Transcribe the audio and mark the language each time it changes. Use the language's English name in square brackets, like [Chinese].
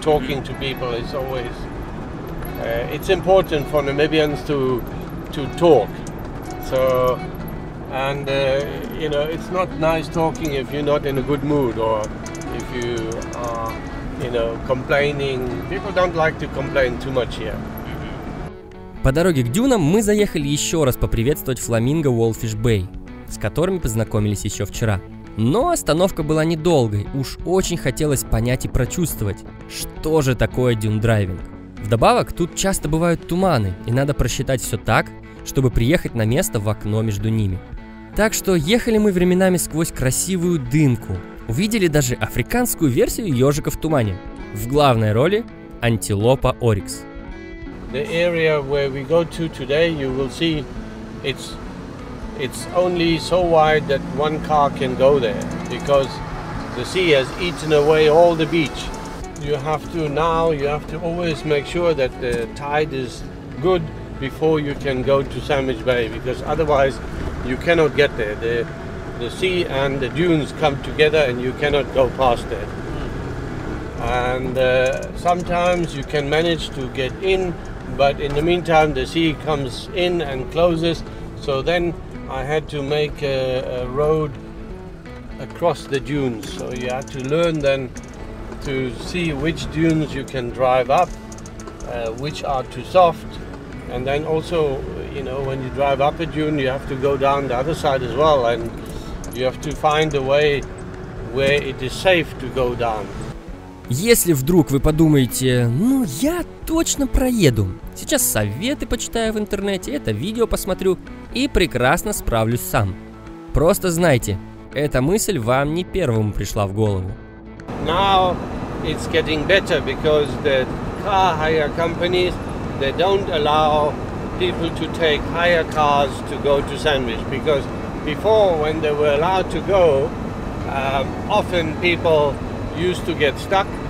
[English] talking mm-hmm. to people is always. It's important for Namibians to talk. So, and you know, it's not nice talking if you're not in a good mood or if you are, you know, complaining. People don't like to complain too much here. [Russian] По дороге к дюнам мы заехали еще раз поприветствовать фламинго Уолфиш-Бэй, с которыми познакомились еще вчера. Но остановка была недолгой, уж очень хотелось понять и прочувствовать, что же такое дюн-драйвинг. Вдобавок, тут часто бывают туманы, и надо просчитать все так, чтобы приехать на место в окно между ними. Так что ехали мы временами сквозь красивую дымку. Увидели даже африканскую версию ежика в тумане. В главной роли антилопа Орикс. [English] The area where we go to today, you will see it's only so wide that one car can go there, because the sea has eaten away all the beach. You have to always make sure that the tide is good before you can go to Sandwich Bay, because otherwise you cannot get there. The sea and the dunes come together and you cannot go past it. And sometimes you can manage to get in, but in the meantime the sea comes in and closes. So then I had to make a road across the dunes. So you had to learn then to see which dunes you can drive up, which are too soft. And then also, you know, when you drive up a dune, you have to go down the other side as well, and you have to find a way where it is safe to go down. [Russian] Если вдруг вы подумаете, ну я точно проеду, сейчас советы почитаю в интернете, это видео посмотрю и прекрасно справлюсь сам. Просто знайте, эта мысль вам не первому пришла в голову. [English] Now it's getting better because the car hire companies, they don't allow people to take hire cars to go to Sandwich, because before, when they were allowed to go, often people used to get stuck.